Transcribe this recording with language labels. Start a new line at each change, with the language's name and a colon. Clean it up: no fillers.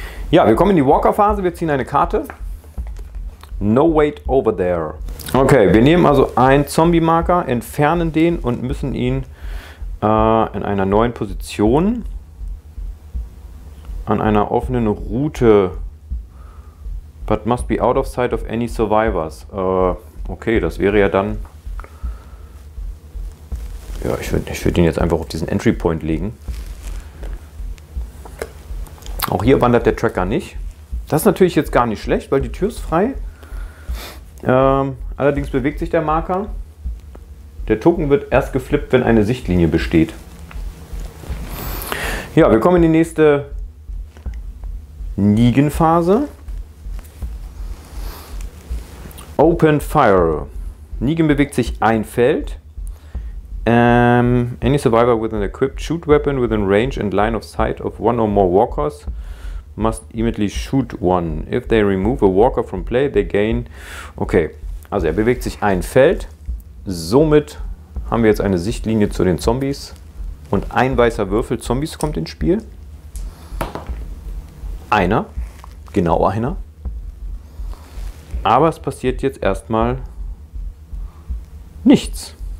German: Ja, wir kommen in die Walker-Phase, wir ziehen eine Karte.
English: No wait over there.
German: Okay, wir nehmen also einen Zombie-Marker, entfernen den und müssen ihn in einer neuen Position an einer offenen Route.
English: But must be out of sight of any survivors.
German: Das wäre ja dann... Ja, ich würde ihn jetzt einfach auf diesen Entry-Point legen. Auch hier wandert der Tracker nicht. Das ist natürlich jetzt gar nicht schlecht, weil die Tür ist frei. Allerdings bewegt sich der Marker. Der Token wird erst geflippt, wenn eine Sichtlinie besteht. Ja, wir kommen in die nächste Negan-Phase. Open Fire. Negan bewegt sich ein Feld.
English: Any survivor with an equipped shoot weapon within range and line of sight of one or more walkers must immediately shoot one. If they remove a walker from play, they gain...
German: Okay, also er bewegt sich ein Feld. Somit haben wir jetzt eine Sichtlinie zu den Zombies. Und ein weißer Würfel Zombies kommt ins Spiel. Einer. Genau einer. Aber es passiert jetzt erstmal nichts.